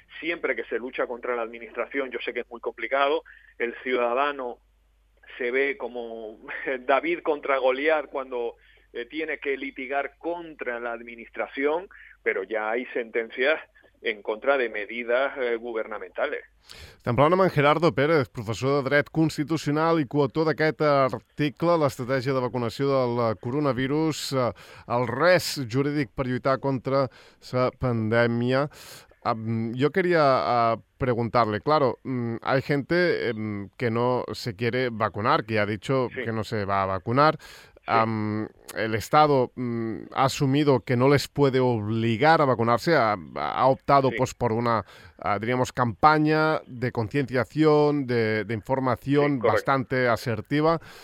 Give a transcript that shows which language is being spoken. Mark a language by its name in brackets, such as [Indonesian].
[Spanish] Siempre que se lucha contra la administración, yo sé que es muy complicado, el ciudadano se ve como David contra Goliat cuando tiene que litigar contra la administración, pero ya hay sentencias en contra de medidas gubernamentales. [Catalan] Estem parlant amb en Gerardo Pérez, professor de dret constitucional i coautor d'aquest article, l'estratègia de vacunació del coronavirus, el res jurídic per lluitar contra la pandèmia. [Spanish] Yo quería preguntarle, claro, hay gente que no se quiere vacunar, que ya ha dicho que no se va a vacunar. Sí. El Estado ha asumido que no les puede obligar a vacunarse, ha optado pues por una, diríamos, campaña de concienciación, de información bastante asertiva.